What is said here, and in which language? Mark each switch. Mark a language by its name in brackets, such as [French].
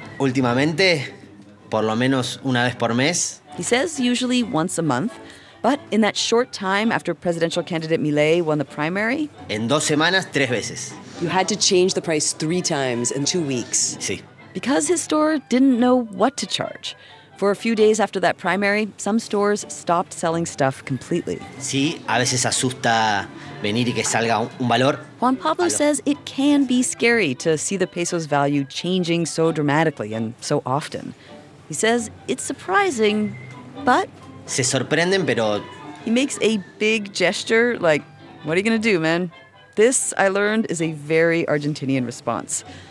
[Spanish] Últimamente, por lo menos una vez por mes. [English] He says usually once a month. But in that short time after presidential candidate Milei won the primary? [Spanish] En dos semanas, tres veces. [English] You had to change the price 3 times in 2 weeks. [Spanish] Sí. [English] Because his store didn't know what to charge. For a few days after that primary, some stores stopped selling stuff completely. [Spanish] Sí, a veces asusta venir y que salga un valor. [English] Juan Pablo says it can be scary to see the peso's value changing so dramatically and so often. He says it's surprising, but... [Spanish] Se sorprenden, pero... [English] He makes a big gesture, like, what are you going to do, man? This, I learned, is a very Argentinian response.